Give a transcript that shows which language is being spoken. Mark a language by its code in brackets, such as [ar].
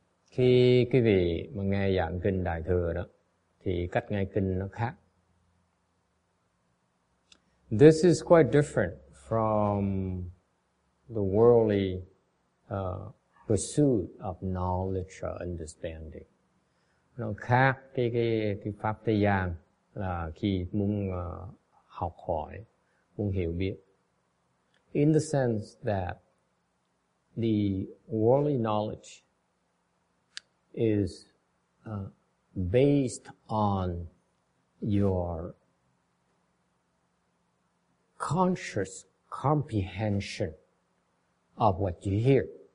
[vi] Khi quý vị mà nghe giảng kinh đại thừa đó, thì cách nghe kinh nó khác. [en] This is quite different from the worldly pursuit of knowledge or understanding. [vi] Nó khác cái pháp thế gian là khi muốn học hỏi, muốn hiểu biết. [en] In the sense that the worldly knowledge is based on your conscious comprehension of what you hear.